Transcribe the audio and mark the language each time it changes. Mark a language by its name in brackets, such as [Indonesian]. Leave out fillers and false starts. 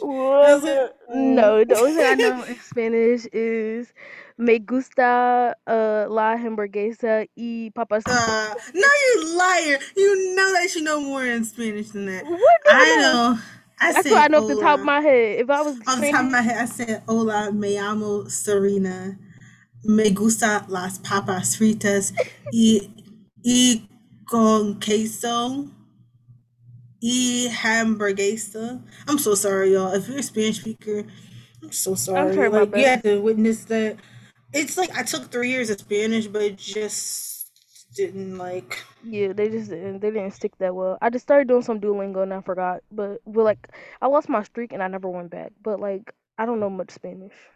[English] No, the only thing I know in Spanish is, [Spanish] me gusta la hamburguesa y papas. [English] No, you liar. You know that you know more in Spanish than that. What do I know? That's what I know off the top of my head. Off the top of my head, I said, [Spanish] hola, me llamo Serena. Me gusta las papas fritas y con queso y hamburguesa. [English] I'm so sorry, y'all. If you're a Spanish speaker, I'm so I'm sorry. sorry about Like, you that. had to witness that. It's like I took 3 years of Spanish, but it just didn't like. Yeah, they didn't stick that well. I just started doing some Duolingo and I forgot. But like I lost my streak and I never went back. But like I don't know much Spanish.